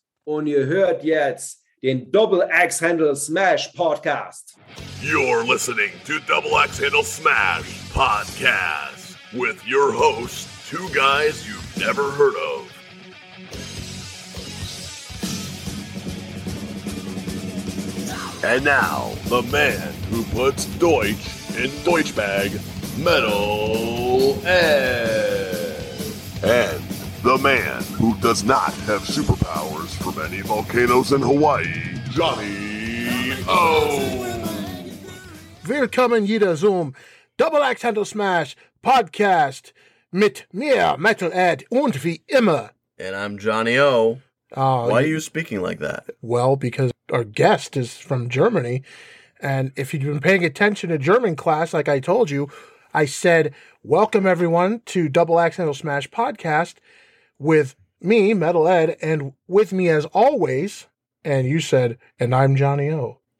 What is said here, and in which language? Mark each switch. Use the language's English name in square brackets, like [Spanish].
[German] Und ihr hört jetzt den Double Axe Handle Smash Podcast. [English] You're listening to Double Axe Handle Smash Podcast with your host, two guys you've never heard of. And now, the man who puts Deutsch in Deutsch bag, Metal Ed. And the man who does not have superpowers from any volcanoes in Hawaii, Johnny O. [German] Willkommen jeder Zoom, Double Axe Handle Smash Podcast mit mir, Metal Ed, und wie immer. [English] And I'm Johnny O. Why are you speaking like that? Well, because our guest is from Germany, and if you've been paying attention to German class, like I told you, I said, welcome everyone to Double Axe Handle Smash Podcast with me, Metal Ed, and with me as always, and you said, and I'm Johnny O.